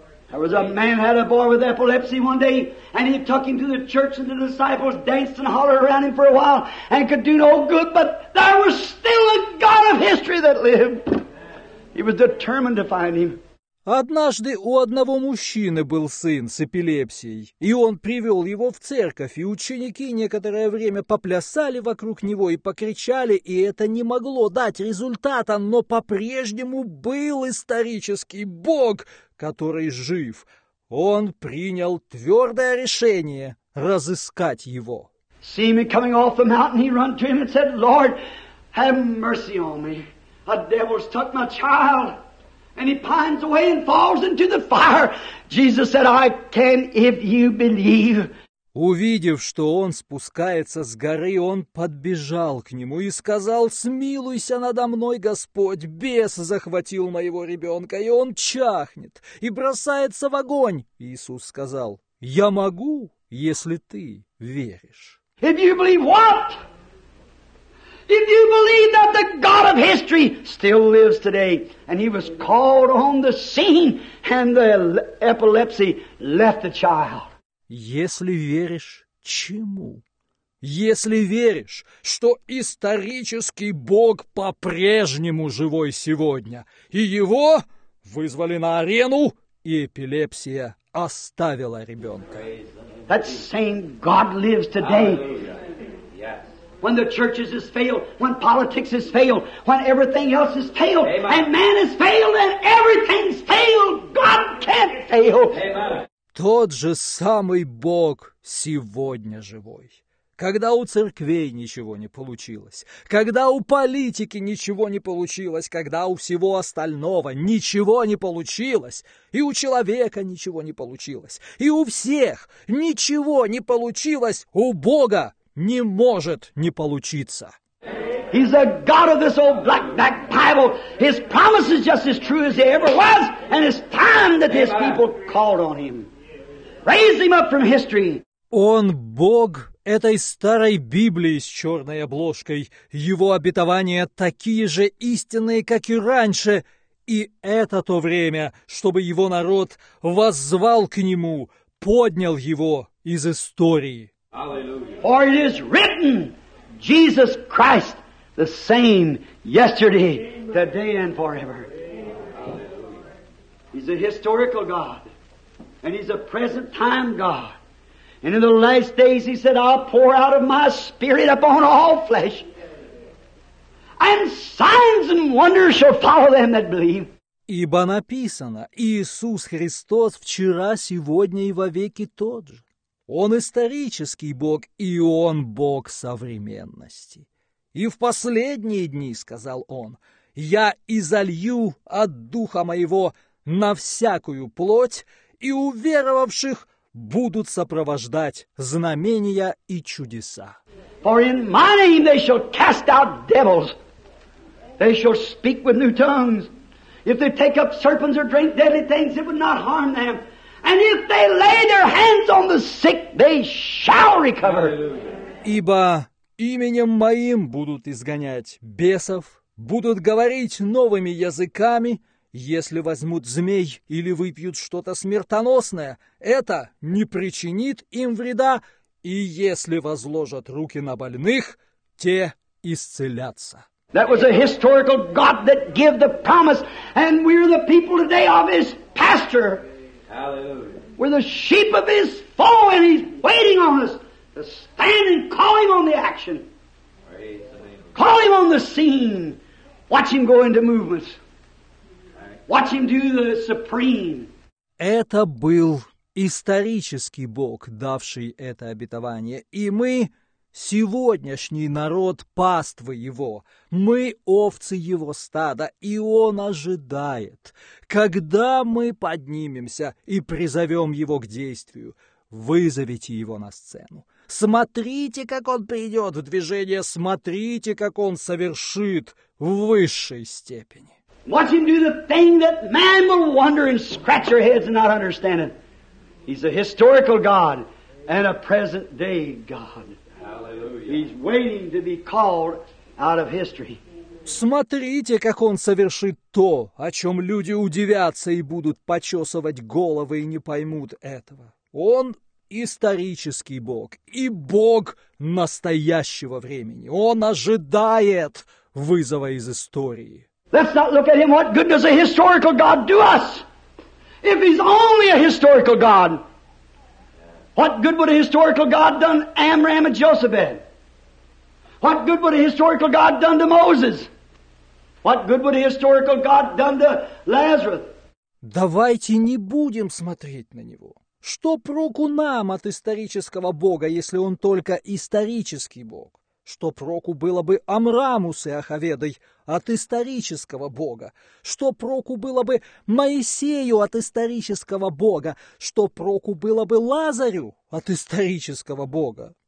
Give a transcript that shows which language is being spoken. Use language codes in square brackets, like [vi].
[en] There was a man had a boy with epilepsy one day, and he took him to the church, and the disciples danced and hollered around him for a while, and could do no good, but there was still a God of history that lived. He was determined to find him. [ru] Однажды у одного мужчины был сын с эпилепсией, и он привел его в церковь, и ученики некоторое время поплясали вокруг него и покричали, и это не могло дать результата, но по-прежнему был исторический Бог, который жив. Он принял твердое решение разыскать его. [en] See me coming off the mountain, he ran to him and said, Lord, have mercy on me. A devil's took my child. And he pines away and falls into the fire. Jesus said, I can if you believe. [ru] Увидев, что он спускается с горы, он подбежал к нему и сказал: «Смилуйся надо мной, Господь! Бес захватил моего ребенка, и он чахнет и бросается в огонь!» Иисус сказал: «Я могу, если ты веришь». [en] If you believe what? If you believe that the God of history still lives today, and he was called on the scene, and the epilepsy left the child. [ru] Если веришь чему? Если веришь, что исторический Бог по-прежнему живой сегодня, и его вызвали на арену, и эпилепсия оставила ребенка. [en] That same God lives today. When the churches has failed, when politics has failed, when everything else has failed, and man has failed, and everything's failed, God can't fail. [ru] Тот же самый Бог сегодня живой. Когда у церквей ничего не получилось, когда у политики ничего не получилось, когда у всего остального ничего не получилось, и у человека ничего не получилось, и у всех ничего не получилось, у Бога не может не получиться. [en] He's the God of this old black-back Bible. His promise is just as true as he ever was, and it's time that his people called on him. Raise him up from history. [ru] Он Бог этой старой Библии с черной обложкой. Его обетования такие же истинные, как и раньше. И это то время, чтобы его народ воззвал к нему, поднял его из истории. [en] For it is written, Jesus Christ, the same yesterday, today and forever. He's a historical God. And he's a present time God. And in the last days he said, I'll pour out of my spirit upon all flesh. And signs and wonders shall follow them that believe. [ru] Ибо написано, Иисус Христос вчера, сегодня и вовеки тот же. Он исторический Бог, и он Бог современности. И в последние дни, сказал он, я изолью от Духа моего на всякую плоть, и уверовавших будут сопровождать знамения и чудеса. [en] For in my name they shall cast out devils. They shall speak with new tongues. If they take up serpents or drink deadly things, it would not harm them. And if they lay their hands on the sick, they shall recover. [ru] Ибо именем моим будут изгонять бесов, будут говорить новыми языками. Если возьмут змей или выпьют что-то смертоносное, это не причинит им вреда, и если возложат руки на больных, те исцелятся. [en] That was a historical God that gave the promise, and we're the people today of his pasture. Hallelujah. We're the sheep of his fold, and he's waiting on us to stand and call him on the action. Call him on the scene. Watch him go into movements. Watch him do the supreme. [ru] Это был исторический Бог, давший это обетование. И мы, сегодняшний народ паствы его, мы овцы его стада, и он ожидает, когда мы поднимемся и призовем его к действию, вызовите его на сцену. Смотрите, как он придет в движение, смотрите, как он совершит в высшей степени. [en] Watch him do the thing that man will wonder and scratch your heads and not understand it. He's a historical God and a present day God. Hallelujah. He's waiting to be called out of history. [ru] Смотрите, как он совершит то, о чем люди удивятся и будут почесывать головы и не поймут этого. Он исторический Бог и Бог настоящего времени. Он ожидает вызова из истории. [en] Let's not look at him. What good does a historical God do us? If he's only a historical God, what good would a historical God done Amram and Jochebed? What good would a historical God done to Moses? What good would a historical God done to Lazarus? [ru] Давайте не будем смотреть на него. Что проку нам от исторического Бога, если он только исторический Бог? что проку было бы Амрамус и Аховедой от исторического бога, что проку было бы Моисею от исторического бога, что проку было бы Лазарю от исторического бога.